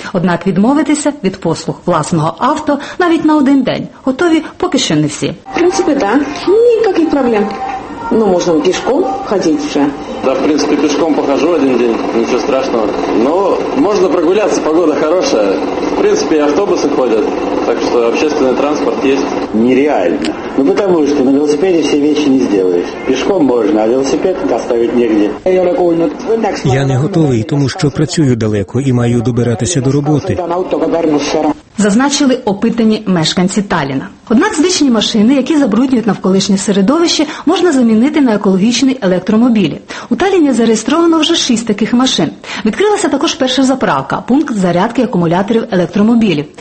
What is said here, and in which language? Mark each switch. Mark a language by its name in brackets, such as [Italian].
[Ukrainian] Однак відмовитися від послуг власного авто навіть на один день готові поки що не всі. В принципі, так. Ніяких проблем. Ну, можна пішком ходити вже. Да, в принципі, пішком похожу один день, нічого страшного. Ну, можна прогулятися, погода хороша. В принципі, автобуси ходять. [Russian] Так что общественный транспорт есть. Нереально. Ну потому что на велосипеде все вещи не сделаешь. Пешком можно, а велосипед оставить негде. [Ukrainian] Я не готовий, тому що працюю далеко і маю добиратися до роботи. Зазначили опитані мешканці Таліна. Однак звичні машини, які забруднюють навколишнє середовище, можна замінити на екологічні електромобілі. У Таліні зареєстровано вже 6 таких машин. Відкрилася також перша заправка – пункт зарядки акумуляторів електромобілів.